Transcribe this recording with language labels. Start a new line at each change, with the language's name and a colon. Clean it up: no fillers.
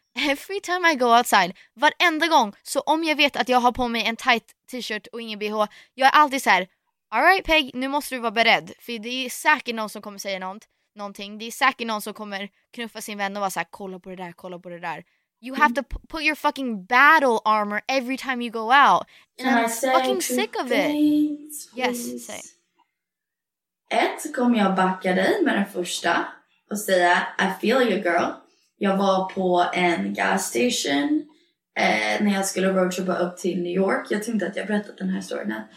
English: Every time I go outside,
Swedish: varenda gång, så om jag vet att jag har på mig en tight t-shirt och ingen BH, jag är alltid så här:
English: all right
Swedish: Peg, nu måste du vara beredd. För det är säkert någon som kommer säga någonting. Det är säkert någon som kommer knuffa sin vän och vara så här: kolla på det där, kolla på det där.
English: You have to put your fucking battle armor every time you go out. And I'm fucking sick of it. Yes, say.
Swedish: Ett, så kommer jag backa dig med den första och säga,
English: I feel you girl.
Swedish: Jag var på en gas station när jag skulle roadtrippa upp till New York. Jag tänkte att jag berättat den här storyn.